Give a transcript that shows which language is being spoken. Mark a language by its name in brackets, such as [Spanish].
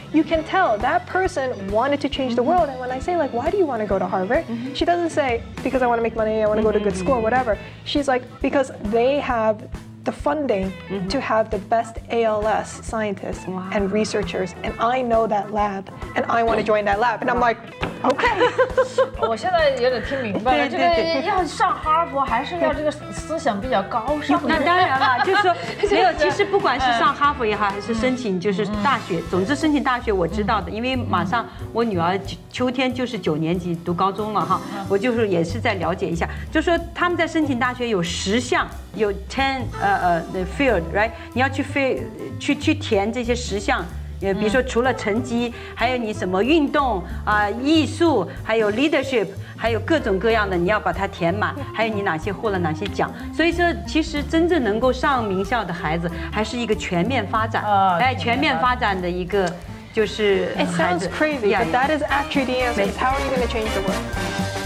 [English] You can tell that person wanted to change the world. And when I say like, why do you want to go to Harvard? She doesn't say, because I want to make money, I want to go to a good school, whatever. She's like, because they have the funding to have the best ALS scientists and researchers, and I know that lab, and I want to join that lab. And I'm like, okay. [Chinese] 我现在有点听明白了，这个要上哈佛，还是要这个思想比较高尚。那当然了，就是说没有，其实不管是上哈佛也好，还是申请就是大学，总之申请大学我知道的，因为马上我女儿秋天就是九年级读高中了哈，我就是也是在了解一下，就说他们在申请大学有十项。有 [English] 10 the field right， [Chinese] 你要去飞去填这些十项，比如说除了成绩，还有你什么运动啊、艺术，还有 leadership， 还有各种各样的，你要把它填满，还有你哪些获了哪些奖。所以说其实真正能够上名校的孩子还是一个全面发展，全面发展的一个就是孩子。 [English] It sounds crazy but that is actually the answer. It's how are you going to change the world.